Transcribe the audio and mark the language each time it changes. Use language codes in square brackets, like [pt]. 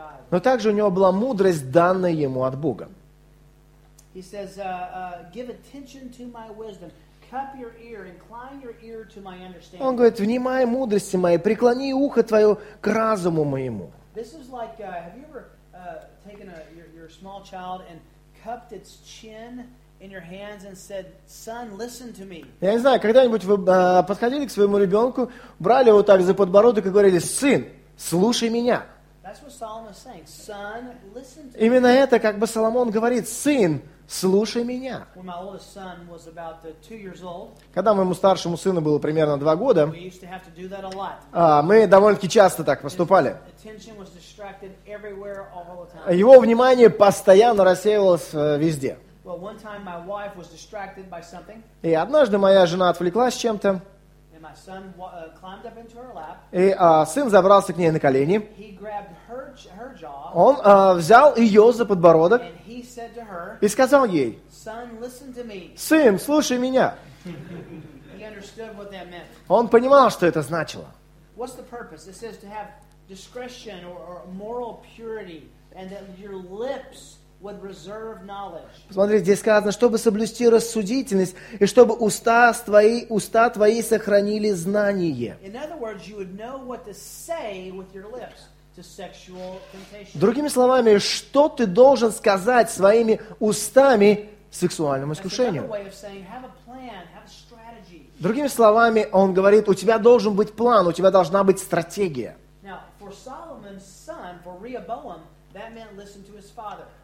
[ru] Но также у него была мудрость, данная ему от Бога. [en] He says, give attention to my wisdom. Cup your ear, incline your ear to my understanding. [ru] Он говорит, внимай мудрости моей, преклони ухо твое к разуму моему. [en] This is like, have you ever taken your small child and cupped its chin in your hands and said, son, listen to me? [ru] Я не знаю, когда-нибудь вы подходили к своему ребенку, брали его так за подбородок и говорили, сын, слушай меня. [en] That's what Solomon is saying. Son, listen to me. [ru] Именно это как бы Соломон говорит, сын, слушай меня. [en] When my oldest son was about 2 years old, [ru] когда моему старшему сыну было примерно 2 года, [en] we used to have to do that a lot. [ru] Мы довольно-таки часто так поступали. [en] His attention was distracted everywhere, all the time. [ru] Его внимание постоянно рассеивалось везде. [en] Well, one time my wife was distracted by something. [ru] И однажды моя жена отвлеклась чем-то. [en] And my son climbed up into her lap. [ru] И сын забрался к ней на колени. [en] He grabbed her jaw. [ru] Он взял ее за подбородок. [en] And he said to her, [ru] и сказал ей, [en] son, listen to me. [ru] Сын, слушай меня. [en] He understood what that meant. [ru] Он понимал, что это значило. [en] What's the purpose? It says to have discretion or moral purity and that your lips would reserve knowledge. [ru] Посмотрите, здесь сказано, чтобы соблюсти рассудительность и чтобы уста твои сохранили знание. [en] In other words, you would know what to say with your lips to sexual temptation. [ru] Другими словами, что ты должен сказать своими устами сексуальному искушению. [en] That's another way of saying, have a plan, have a strategy. [ru] Другими словами, он говорит, у тебя должен быть план, у тебя должна быть стратегия. [en] Now, for Solomon's son, for Rehoboam, that meant listen to his father.